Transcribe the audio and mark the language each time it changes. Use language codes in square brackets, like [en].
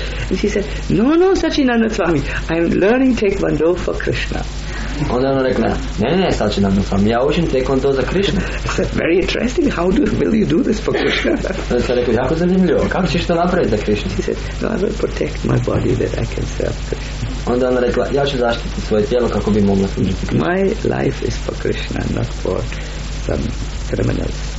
[en] And she said, no, Sachinanda Swami, I'm learning taekwondo for Krishna. [hr] Onda ona rekla, ne, Sachinanda Swami, ja učim taekwondo za Krishna. [en] I said, very interesting, will you do this for Krishna? [hr] Ona se rekao, jako zanimljivo, kako ćeš to napraviti za Krishna? [en] She said, no, I will protect my body that I can serve Krishna. [hr] Onda ona rekla, ja ću zaštiti svoje tijelo kako bi mogla služiti Krishna. [en] My life is for Krishna, not for some criminals.